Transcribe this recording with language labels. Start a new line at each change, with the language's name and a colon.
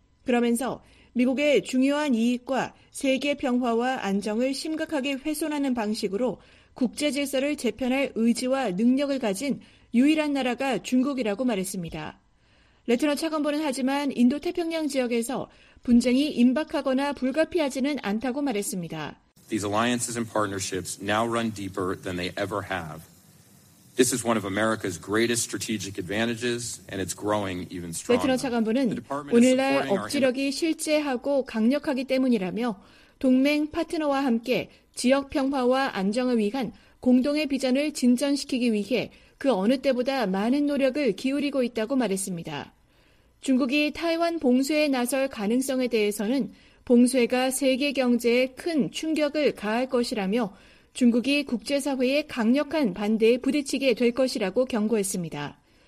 Korean: 그러면서 미국의 중요한 이익과 세계 평화와 안정을 심각하게 훼손하는 방식으로 국제 질서를 재편할 의지와 능력을 가진 유일한 나라가 중국이라고 말했습니다. 레트너 차관보는 하지만 인도태평양 지역에서 분쟁이 임박하거나 불가피하지는 않다고 말했습니다.
English: These alliances and partnerships now run deeper than they ever have. This is one of America's greatest strategic advantages, and it's growing even stronger.
Korean: 레트너 차관보는 오늘날 억지력이 실제하고 강력하기 때문이라며 동맹 파트너와 함께 지역 평화와 안정을 위한 공동의 비전을 진전시키기 위해 그 어느 때보다 많은 노력을 기울이고 있다고 말했습니다. 중국이 타이완 봉쇄에 나설 가능성에 대해서는 봉쇄가 세계 경제에 큰 충격을 가할 것이라며 중국이 국제사회의 강력한 반대에 부딪히게 될 것이라고 경고했습니다.